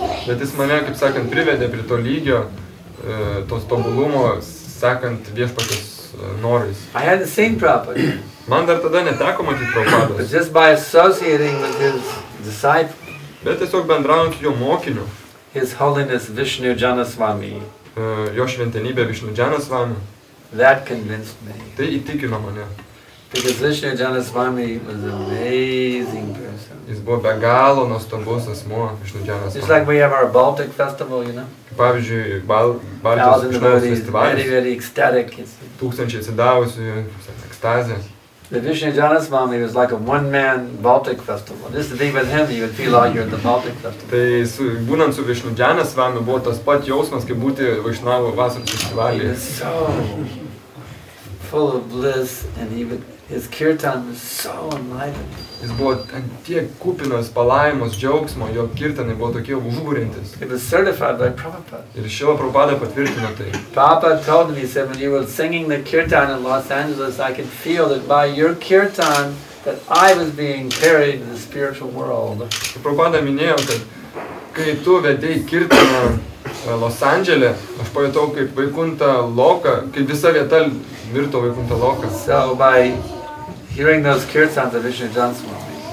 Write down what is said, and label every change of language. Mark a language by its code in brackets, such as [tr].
[lt] Bet jis mane, kaip sakant, privedė prie to lygio, tos tobulumo, sekant viešpatės norais. [en] I had the same Prabhupada. [lt] Man dar tada neteko matyti Prabhupados. [en] But just by associating with his disciple. [lt] Bet tiesiog bendraujant jo mokiniu. [en] His Holiness Vishnu Janaswami. [lt] Jo šventenybė Vishnu Janaswami. [en] That convinced me. [lt] Tai įtikino mane. [en] Because Vishnu Janaswami was an amazing person. [lt] Jis buvo be galo nuostabus asmuo, Vishnu Janaswami. [en] It's like we have our Baltic festival, you know. [lt] Pavyzdžiui, Baltijos festivalis. [en] Very, very ecstatic. [lt] Tūkstančiai atsidavusių, ekstazė. [en] The Vishnu Janaswami was like a one-man Baltic festival. Just to be with him, you would feel like you're at the Baltic festival. [lt] Tai su, būnant su Vishnu Janaswami buvo tas pat jausmas, kaip būti Vaishnavo vasaros festivalyje. [en] He was so full of bliss, and even his kirtan was so enlightened. [lt] Jis buvo tiek kupinas palaimos džiaugsmo, jo kirtanai buvo tokie užburintis. [en] It was certified by Prabhupada. [lt] Ir Šrila Prabhupada patvirtino tai. [en] Prabhupada told me, he said, when you were singing the kirtan in Los Angeles, I could feel that by your kirtan, that I was being carried to the spiritual world. [lt] Prabhupada minėjo, kad kai tu vedei kirtaną Los Angeles, aš pajutau kaip vaikunta loka, kaip visa vieta virto vaikunta loka. [en] So by hearing those kirtans of Vishnu Janaswami.